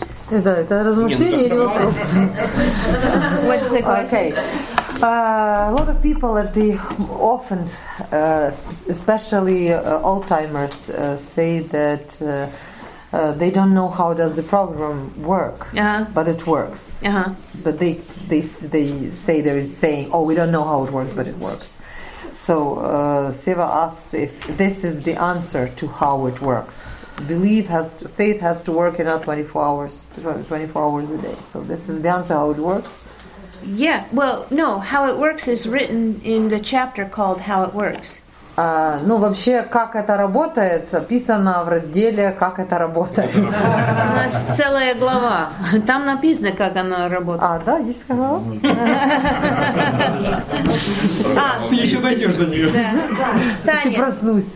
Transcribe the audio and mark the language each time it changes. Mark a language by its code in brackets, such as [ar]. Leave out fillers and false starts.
[ru] Да, это размышление или вопрос? [en] Okay. A lot of people at the often, especially old-timers, say that they don't know how does the program work, but it works. But they say there is saying, oh, we don't know how it works, but it works. So Seva asks if this is the answer to how it works. Believe has to, faith has to work in our 24 hours a day. So this is the answer how it works. Yeah. Well, no. How it works is written in the chapter called "How It Works." [ru] Ну вообще как это работает описано в разделе как это работает. У нас целая глава. Там написано как оно работает. А да, есть глава. Ты еще дойдешь до нее. Таня, проснусь.